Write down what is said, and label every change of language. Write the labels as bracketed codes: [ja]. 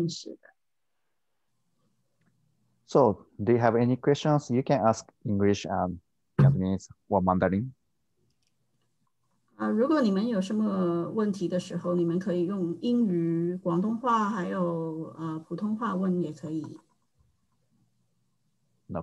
[zh] 食物，比如说我们也是要去吃一些生活啊，或是等等的不同的食物。然后当然就是每一天我们要定时的吃饭，比如说早饭、午餐、晚餐等等都是要定时的。So, [en] do you have any questions? You can ask English and Japanese or Mandarin. [zh] 如果你们有什么问题的时候，你们可以用英语、广东话还有普通话问也可以。No